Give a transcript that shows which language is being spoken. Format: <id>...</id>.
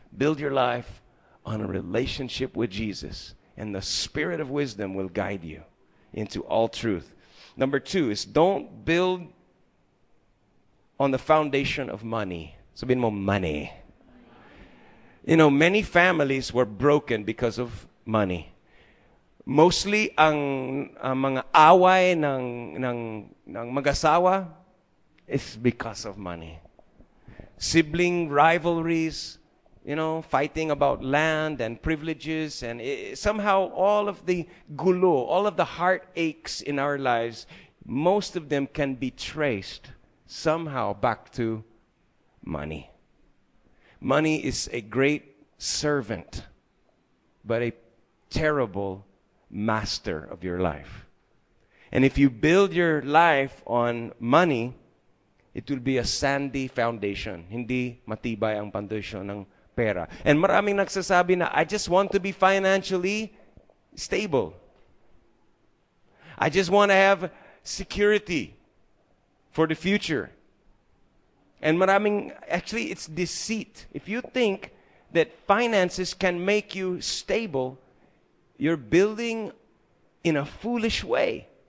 <en>Build your life on a relationship with Jesus, and the Spirit of wisdom will guide you into all truth. Number two is don't build on the foundation of money.</en> <tl>Sabihin mo,</tl> <en>money. You know, many families were broken because of money.</en> <tl>Mostly ang mga away ng mag-asawa</tl> <en>is because of money. Sibling rivalries, you know, fighting about land and privileges, and somehow all of the gulo, all of the heartaches in our lives, most of them can be traced somehow back to money. Money is a great servant, but a terrible master of your life. And if you build your life on money, it will be a sandy foundation.</en> <tl>Hindi matibay ang pundasyon ng pera.</tl> <en>And</en> <tl>maraming nagsasabi na,</tl> <en>I just want to be financially stable. I just want to have security for the future. And maraming, actually, it's deceit. If you think that finances can make you stable, you're building in a foolish way.</en>